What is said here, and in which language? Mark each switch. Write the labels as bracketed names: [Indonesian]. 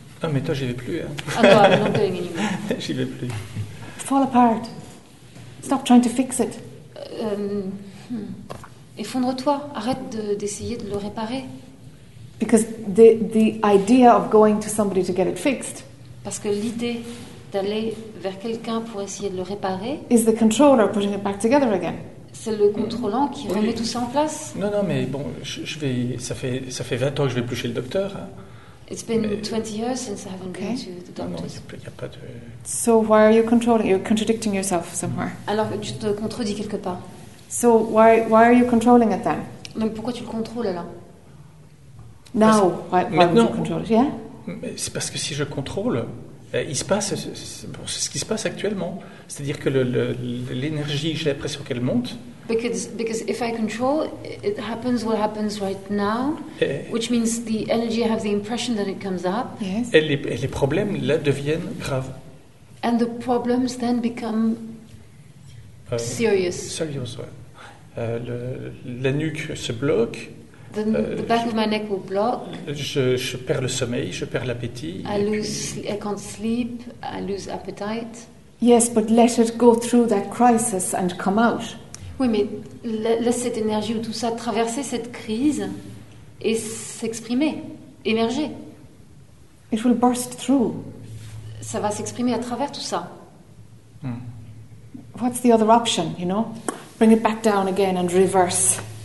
[French] Ah, mais toi, j'y vais plus. Ah, non, [English] I'm not going anymore. [French] J'y vais plus. [English] Fall apart. Stop trying to fix it. [French] Effondre-toi. Arrête d'essayer de le réparer. [English] Because the idea of going to somebody to get it fixed. [French] Parce que l'idée d'aller vers quelqu'un pour essayer de le réparer. [English] Is the controller putting it back together again? [French] C'est le contrôlant qui remet tout ça en place. Non, mais bon, ça fait 20 ans que je vais plus chez le docteur. [English] It's been 20 years since I haven't been to the doctor. [French] Non, il y a pas de. [English] So why are you controlling? You're contradicting yourself somewhere. [French] Alors tu te contredis quelque part. [English] So why are you controlling it then? [French] Donc pourquoi tu le contrôles alors? [English] Now, why would you control it? Yeah? [French] C'est parce que si je contrôle, il se passe c'est ce qui se passe actuellement. C'est-à-dire que l'énergie, j'ai l'impression qu'elle monte. [English] Because if I control, it happens what happens right now, which means the energy, I have the impression that it comes up. Yes. [French] Et les problèmes là deviennent graves. [English] And the problems then become serious. Serious, [French] ouais. La nuque se bloque. [English] The back of my neck will block. [French] Je perds le sommeil, je perds l'appétit. [English] I can't sleep, I lose appetite. Yes, but let it go through that crisis and come out. [French] Oui, mais laisse cette énergie ou tout ça traverser cette crise et s'exprimer, émerger. [English] It will burst through. [French] Ça va s'exprimer à travers tout ça. [English] What's the other option, you know? Bring it back down again and reverse.